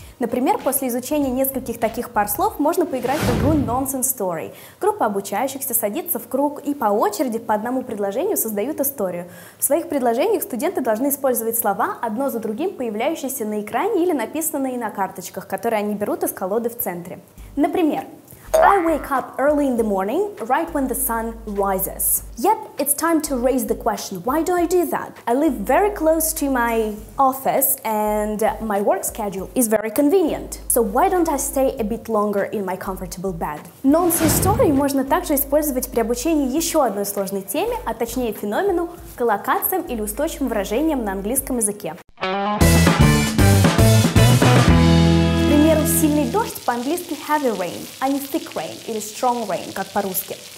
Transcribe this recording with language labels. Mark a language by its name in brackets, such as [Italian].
[Russian] Например, после изучения нескольких таких пар слов можно поиграть в игру Nonsense Story. Группа обучающихся садится в круг и по очереди по одному предложению создают историю. В своих предложениях студенты должны использовать слова, одно за другим появляющиеся на экране или написанные на карточках, которые они берут из колоды в центре. [English] Например, I wake up early in the morning, right when the sun rises. Yep, it's time to raise the question, why do I do that? I live very close to my office and my work schedule is very convenient. So why don't I stay a bit longer in my comfortable bed? [Russian] Nonsense story можно также использовать при обучении еще одной сложной теме, а точнее феномену, коллокациям или устойчивым выражениям на английском языке. Сильный дождь по-английски [English] heavy rain, [Russian] а не [English] thick rain [Russian] или [English] strong rain, [Russian] как по-русски.